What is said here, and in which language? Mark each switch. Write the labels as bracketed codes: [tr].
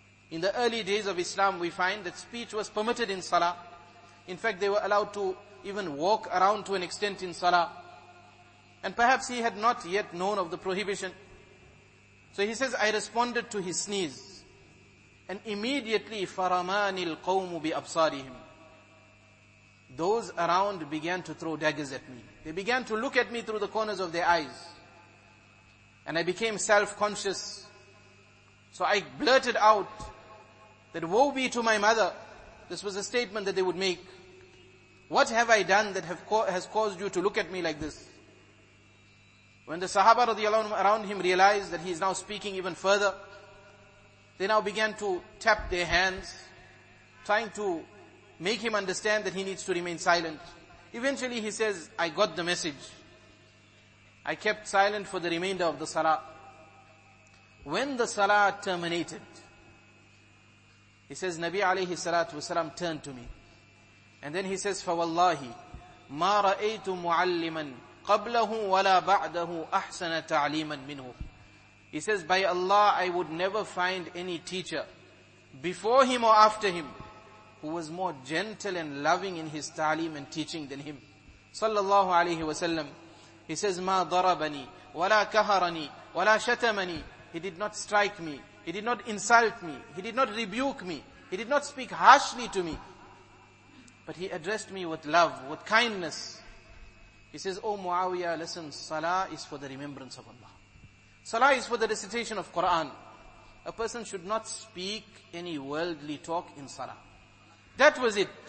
[en] In the early days of Islam, we find that speech was permitted in salah. In fact, they were allowed to even walk around to an extent in salah. And perhaps he had not yet known of the prohibition. So he says, I responded to his sneeze. And immediately, [ar] فَرَمَانِ الْقَوْمُ بِأَبْصَارِهِمْ. [en] Those around began to throw daggers at me. They began to look at me through the corners of their eyes. And I became self-conscious. So I blurted out that woe be to my mother. This was a statement that they would make. What have I done that has caused you to look at me like this? When the Sahaba radiallahu anhu around him realized that he is now speaking even further, they now began to tap their hands, trying to make him understand that he needs to remain silent. Eventually he says, I got the message. I kept silent for the remainder of the salah. When the salah terminated, he says, Nabi alayhi salatu wasalam turned to me. And then he says, [ar] فَوَاللَّهِ مَا رَأَيْتُ مُعَلِّمًا قَبْلَهُ وَلَا بَعْدَهُ أَحْسَنَ تَعْلِيمًا مِنْهُ. [en] He says, by Allah, I would never find any teacher before him or after him who was more gentle and loving in his ta'lim and teaching than him. Sallallahu alayhi wasallam. He says, [ar] مَا ضَرَبَنِي وَلَا كَهَرَنِي وَلَا شَتَمَنِي. [en] He did not strike me. He did not insult me. He did not rebuke me. He did not speak harshly to me. But he addressed me with love, with kindness. He says, O Muawiyah, listen, salah is for the remembrance of Allah. Salah is for the recitation of Quran. A person should not speak any worldly talk in salah. That was it.